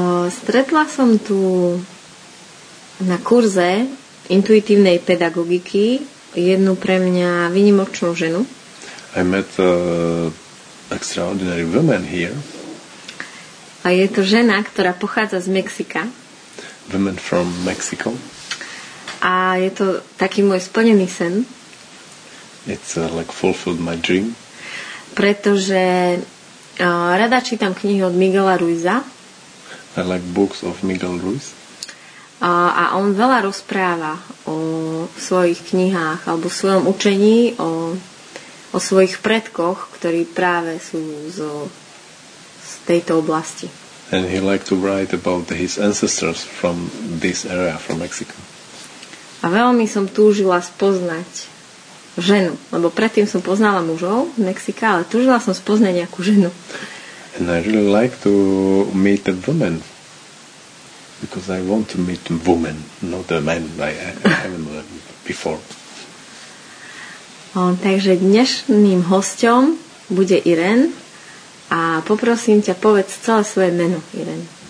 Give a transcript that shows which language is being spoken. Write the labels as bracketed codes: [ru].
[sk] Stretla som tu na kurze intuitívnej pedagogiky jednu pre mňa výnimočnú ženu. [en] I met extraordinary woman here. [sk] A je to žena, ktorá pochádza z Mexika. [en] Woman from Mexico. [sk] A je to taký môj splnený sen. [en] It's like fulfilled my dream. [sk] Pretože rada čítam knihy od Miguela Ruiza. [en] I like books of Miguel Ruiz. [sk] A on veľa rozpráva o svojich knihách alebo o svojom učení, o svojich predkoch, ktorí práve sú z tejto oblasti. [en] And he liked to write about his ancestors from this area, from Mexico. [sk] A veľmi som túžila spoznať ženu, lebo predtým som poznala mužov z Mexika, ale túžila som spoznať nejakú ženu. [en] And I really like to meet a woman. Because I want to meet a woman, not a man I haven't met before. [sk] Takže dnešným hosťom bude Irene a poprosím ťa povedz celé svoje meno, Irene.